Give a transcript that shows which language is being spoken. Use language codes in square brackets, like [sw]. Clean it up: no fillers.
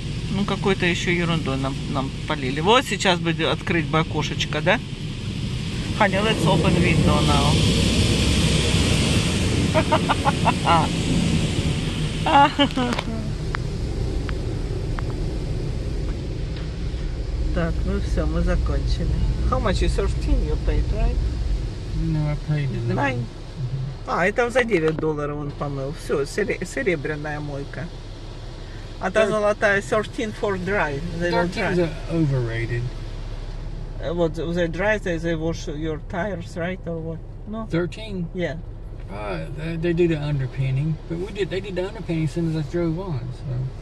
[ru] Ну, какой-то еще ерундой нам полили. Вот сейчас будет открыть бы окошечко, да? [en] Honey, let's open window now. [ru] Так, ну все, мы закончили. [en] How much is 13 you paid, right? No, I paid 9. [ru] Mm-hmm. А, это за $9 он помыл. Все, серебряная мойка. А та золотая 13 [en] for dry. 13 is overrated. What, they dry, they wash your tires, right? Or what? No? 13? Yeah. They do the underpinning, but they did the underpinning as soon as I drove on, so.